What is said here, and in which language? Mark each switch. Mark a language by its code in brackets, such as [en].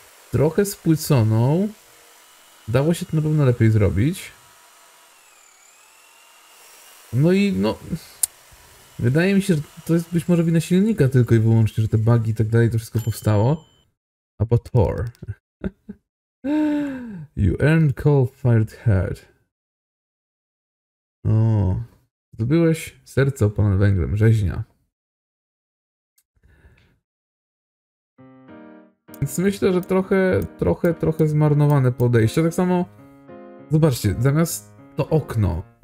[pl] Trochę spłyconą. Dało się to na pewno lepiej zrobić. No i no... Wydaje mi się, że to jest być może wina silnika tylko i wyłącznie, że te bugi i tak dalej to wszystko powstało. [en] Abattoir. You earned cold fired heart. O. [pl] Zdobyłeś serce opalone węglem, rzeźnia. Więc myślę, że trochę zmarnowane podejście. Tak samo, zobaczcie, zamiast to okno.